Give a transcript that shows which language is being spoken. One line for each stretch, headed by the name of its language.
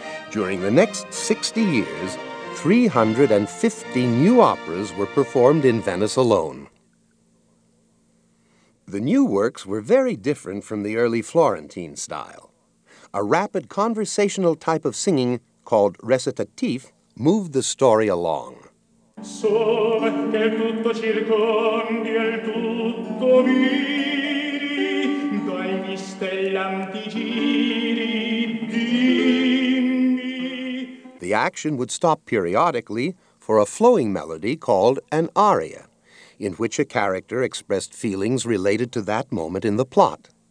English: During the next 60 years, 350 new operas were performed in Venice alone. The new works were very different from the early Florentine style. A rapid conversational type of singing called recitatif moved the story along.
Italian: So che tutto circondi e tutto miri, dai gli stellanti giri, dimmi.
English: The action would stop periodically for a flowing melody called an aria, in which a character expressed feelings related to that moment in the plot.